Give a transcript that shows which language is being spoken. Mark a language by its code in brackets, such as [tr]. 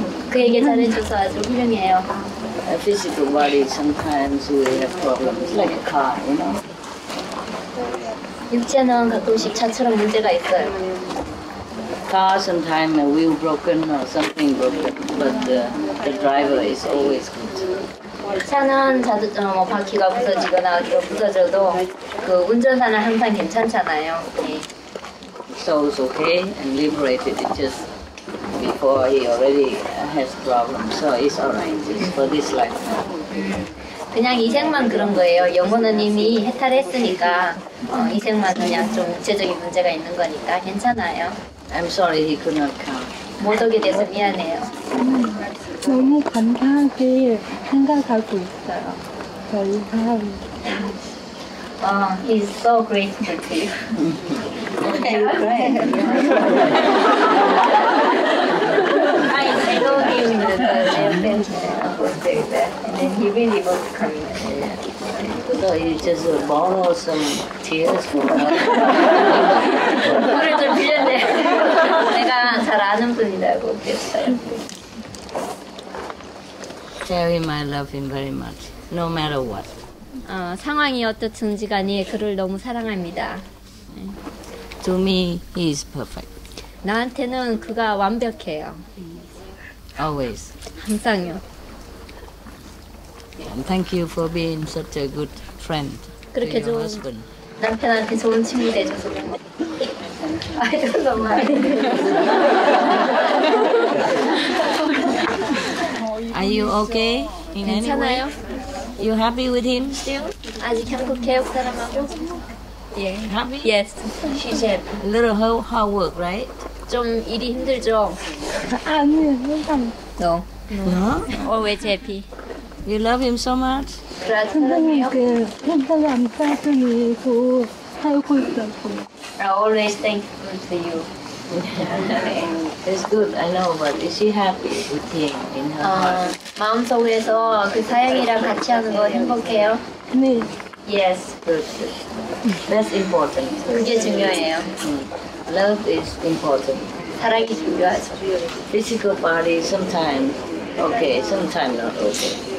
[ko] 그에게 잘해줘서 아주 훌륭해요. [en] A physical body, sometimes we have problems like a car, you know? [ko] 육체는 가끔씩 차처럼 문제가 있어요. [en] Car, sometimes a wheel broken or something broken, but the driver is always good. [ko] 차는 자주 뭐 바퀴가 부서지거나 부서져도 그 운전사는 항상 괜찮잖아요. [en] So it's okay and liberated. It just before he already has problems, so it's alright. It's for this life. [ko] 그냥 이생만 그런 거예요. 영혼은 이미 해탈했으니까 이생만 그냥 좀 구체적인 문제가 있는 거니까 괜찮아요. [en] I'm sorry he could not come. [ko] 못 오게 돼서 미안해요. 너무 감사하게 생각하고 있어요. 감사합니다. [en] He's so grateful to you. Okay, I told him that I am finished and I will stay there. And then he really wants to come in. So he just borrowed some tears from her. [ko] 그걸 좀 빌렸네. 내가 잘 아는 분이라고 그랬어요. [en] Tell him I love him very much, no matter what. [ko] 상황이 어떻든지 간에 그를 너무 사랑합니다. [en] To me, he is perfect. [ko] 나한테는 그가 완벽해요. [en] Always. [ko] 항상요. [en] And thank you for being such a good friend. [ko] 그렇게 좋은 [en] husband. [ko] 남편한테 좋은 친구 되셔서. [en] I don't know why. Are you okay? In [ko] 괜찮아요? [en] Any way? You happy with him still? [ko] 아직 행복해요, 그 사람하고. [en] Yeah. Happy? Yes. She's happy. A little hard work, right? [ko] 좀 일이 힘들죠? 아니, 항상. [en] No. No? Always happy. You love him so much? [ko] 선생님, 항상 감사드리고 살고 있다고. [en] I always thankful to you. It's good, I know, but is she happy with him in her heart? [ko] 마음속에서 그 사연이랑 같이 하는 거 행복해요? 네. [en] Yes, good. That's important. [ko] 그게 중요해요. [en] Love is important. [ko] 사랑이 중요하죠. [en] Physical body, sometimes okay, sometimes not okay.